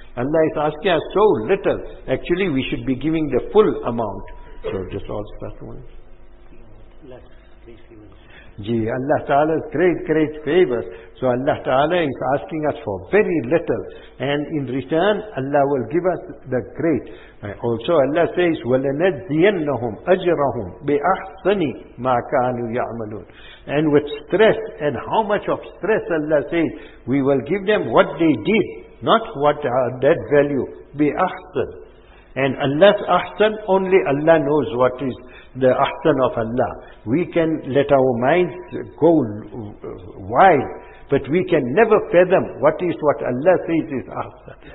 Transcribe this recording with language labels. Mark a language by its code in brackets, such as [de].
[en] Allah is asking us so little. Actually, we should be giving the full amount. So just all that one. Ji, Allah Ta'ala's great favors. So Allah Ta'ala is asking us for very little. And in return, Allah will give us the great. Also Allah says, [ar] وَلَنَجْزِيَنَّهُمْ أَجْرَهُمْ بِأَحْسَنِ مَا كَانُوا يَعْمَلُونَ. [en] And with stress, and how much of stress Allah says, we will give them what they did, not what that value. [ar] بِأَحْسَنِ. [en] And Allah's ahsan, only Allah knows what is the ahsan of Allah. We can let our minds go wild, but we can never fathom what Allah says is ahsan.